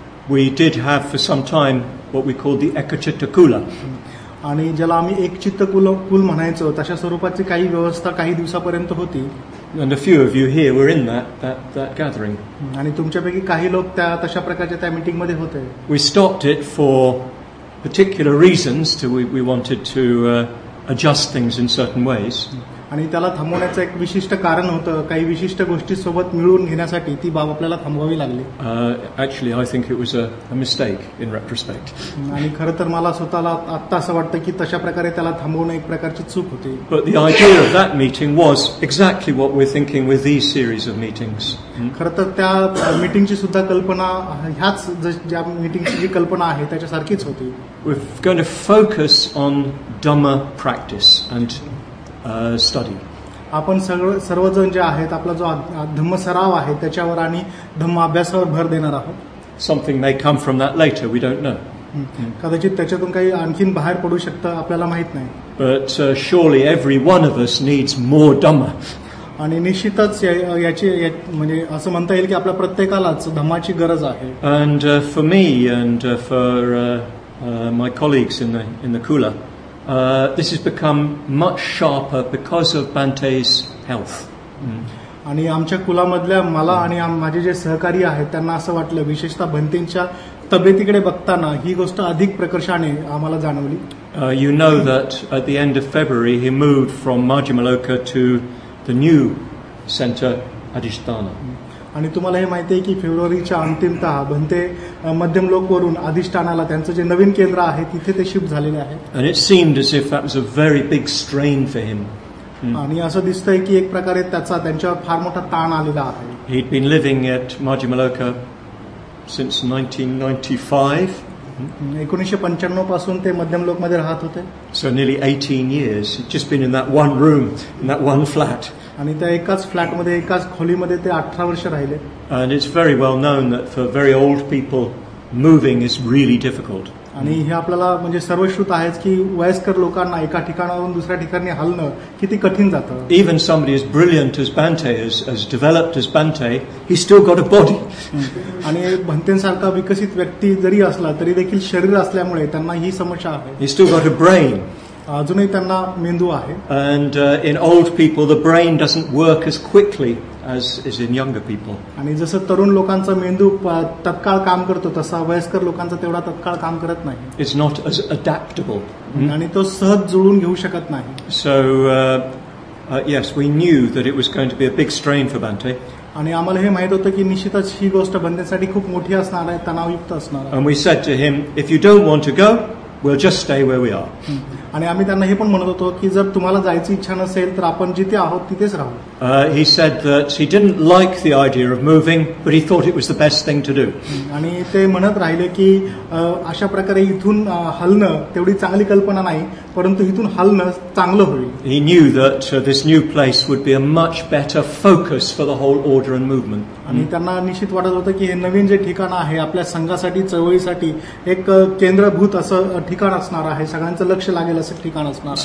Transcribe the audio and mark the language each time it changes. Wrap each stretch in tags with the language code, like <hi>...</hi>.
<en>We did have for some time what we called the Ekachittakula.</en> <mr>आणि ज्याला आम्ही एक चित्त कुल म्हणायचो तशा स्वरूपाची काही व्यवस्था काही दिवसापर्यंत होती.</mr> <en>And a few of you here were in that gathering.</en> <mr>आणि तुमच्यापैकी काही लोक त्या तशा प्रकारच्या त्या मीटिंग मध्ये होते.</mr> <en>We stopped it for particular reasons to we wanted to adjust things in certain ways.</en> <mr>आणि त्याला थांबवण्याचं एक विशिष्ट कारण होतं, काही विशिष्ट गोष्टी सोबत मिळवून घेण्यासाठी ती बाब आपल्याला थांबवावी लागली.</mr> <en>Actually I think it was a mistake in retrospect.</en> <mr>आणि खरं तर मला स्वतःला आता असं वाटतं की तशा प्रकारे त्याला थांबवणं एक प्रकारची चूक होती.</mr> <en>But the idea of that meeting was exactly what we're thinking with these series of meetings.</en> <mr>खरं तर त्या मीटिंगची सुद्धा कल्पना ह्याच ज्या मीटिंगची जी कल्पना आहे त्याच्यासारखीच होती.</mr> <en>We're going to focus on Dhamma practice and study.</en> <mr>आपण सर्वजण जे आहेत आपला जो धम्म सराव आहे त्याच्यावर आणि धम्म अभ्यासावर भर देणार आहोत.</mr> <en>Something may come from that later, we don't know.</en> <mr>कदाचित त्याच्यातून काही आणखीन बाहेर पडू शकतं आपल्याला माहित नाही.</mr> <en>But surely every one of us needs more Dhamma.</en> <mr>आणि निश्चितच याची म्हणजे असं म्हणता येईल की आपल्या प्रत्येकालाच धम्माची गरज आहे.</mr> <en>And for me and for my colleagues in the Kula, this has become much sharper because of Bhante's health.</en> <mr>आणि आमच्या कुलामधल्या मला आणि माझे जे सहकारी आहेत त्यांना असं वाटलं, विशेषतः भंतेंच्या तब्येतीकडे बघताना ही गोष्ट अधिक प्रकर्षाने आम्हाला जाणवली.</mr> <en>You know that at the end of February he moved from Majimaloka to the new center Adishtana.</en> <mr>आणि तुम्हाला हे माहिती आहे की फेब्रुवारीच्या अंतिमतः भंते मध्यम लोक वरून अधिष्ठानाला त्यांचं जे नवीन केंद्र आहे तिथे ते शिफ्ट झालेले आहे.</mr> <en>And it seemed as if that was a very big strain for him.</en> <mr>आणि असं दिसतंय की एक प्रकारे त्याचा त्यांच्यावर फार मोठा ताण आलेला आहे.</mr> <en>He'd been living at Majimaloka since 1995.</en> <mr>1995 पासून ते मध्यम लोक मध्ये राहत होते.</mr> <en>So nearly 18 years he'd just been in that one room, in that one flat.</en> <mr>आणि त्या एकाच फ्लॅट मध्ये एकाच खोली मध्ये ते 18 वर्ष राहिले.</mr> <en>And it's very well known that for very old people moving is really difficult.</en> <mr>आणि हे आपल्याला म्हणजे सर्वश्रुत आहेच की वयस्कर लोकांना एका ठिकाणाहून दुसऱ्या ठिकाणी हलणं किती कठीण जातं.</mr> <en>Even somebody as brilliant as Bhante, as developed as Bhante, he still got a body.</en> <mr>आणि भंतेंसारखा विकसित व्यक्ती जरी असला तरी देखील शरीर असल्यामुळे त्यांना ही समस्या आहे.</mr> <en>He still got a brain.</en> <mr>अजूनही त्यांना मेंदू आहे.</mr> <en>And in old people the brain doesn't work as quickly as is in younger people.</en> <mr>आणि जसं तरुण लोकांचा मेंदू तत्काळ काम करतो तसा वयस्कर लोकांचा तेवढा तत्काळ काम करत नाही.</mr> <en>It's not as adaptable.</en> <mr>आणि तो सहज जुळून घेऊ शकत नाही.</mr> <en>So yes, we knew that it was going to be a big strain for Bhante.</en> <mr>आणि आम्हाला हे माहित होतं की निश्चितच ही गोष्ट बनण्यासाठी खूप मोठी असणार आहे, तणावयुक्त असणार आहे.</mr> <en>And we said to him, if you don't want to go, we'll just stay where we are.</en> <mr>आणि आम्ही त्यांना हे पण म्हणत होतो की जर तुम्हाला जायची इच्छा नसेल तर आपण जिथे आहोत तिथेच राहू.</mr> <en>He said that he didn't like the idea of moving, but he thought it was the best thing to do.</en> <mr>आणि ते म्हणत राहिले की अशा प्रकारे इथून हलणं तेवढी चांगली कल्पना नाही, परंतु इथून हलणं चांगलं होईल.</mr> <en>He knew that this new place would be a much better focus for the whole order and movement.</en> <mr>आणि त्यांना निश्चित वाटत होतं की हे नवीन जे ठिकाण आहे आपल्या संघासाठी चळवळीसाठी एक केंद्रभूत असं ठिकाण असणार आहे, सगळ्यांचं लक्ष लागेल असं ठिकाण असणार.</mr>